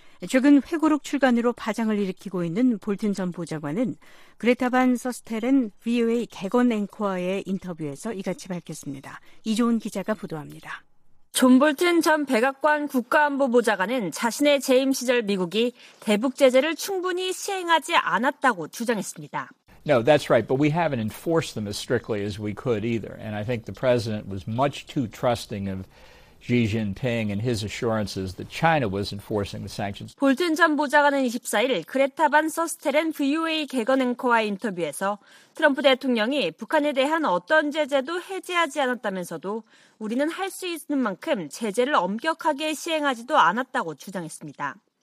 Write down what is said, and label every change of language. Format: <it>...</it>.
<ko>최근 회고록 출간으로 파장을 일으키고 있는 볼튼 전 보좌관은 그레타 반 서스텔은 VOA 객원 앵커와의 인터뷰에서 이같이 밝혔습니다. 이조은 기자가 보도합니다. 존 볼튼 전 백악관 국가안보 보좌관은 자신의 재임 시절 미국이 대북 제재를 충분히 시행하지 않았다고 주장했습니다.</ko> <en>No, that's right, but we haven't enforced them as strictly as we could either. And I think the president was much too trusting of Xi Jinping and his assurances that China was enforcing the sanctions.</en> <ko>볼튼 전 보좌관은 24일 그레타 반 서스텔은 VOA 객원 앵커와 인터뷰에서 트럼프 대통령이 북한에 대한 어떤 제재도 해제하지 않았다면서도 우리는 할 수 있는 만큼 제재를 엄격하게 시행하지도 않았다고 주장했습니다.</ko>